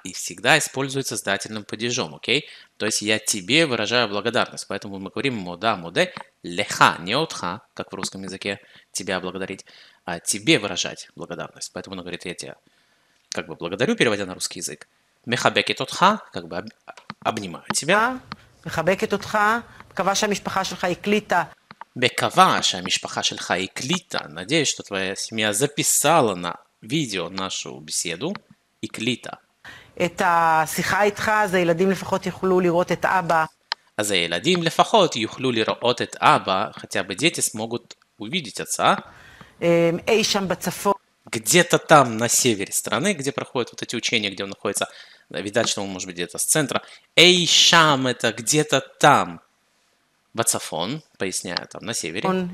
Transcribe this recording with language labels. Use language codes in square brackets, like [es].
[ru] И всегда используется с дательным падежом, окей? То есть я тебе выражаю благодарность. Поэтому мы говорим мода, моде, леха, не отха, как в русском языке, тебя благодарить, а тебе выражать благодарность. Поэтому она говорит, я тебя как бы благодарю, переводя на русский язык. [he] מחבקת אותך, [ru] как бы обнимаю тебя. [he] מחבקת אותך, מקווה שהמשפחה שלך הקליטה. מקווה שהמשפחה שלך הקליטה. [ru] Надеюсь, что твоя семья записала на видео нашу беседу, הקליטה. [he] את השיחה איתך, אז הילדים לפחות יוכלו לראות את אבא. אז הילדים לפחות יוכלו לראות את אבא, [ru] хотя бы дети смогут увидеть отца. [he] אי שם בצפון. [ru] Где-то там, на севере страны, где проходят вот эти учения, где он находится. Видать, что он может быть где-то с центра. Эй, шам, это где-то там. Бацафон, поясняю, там, на севере.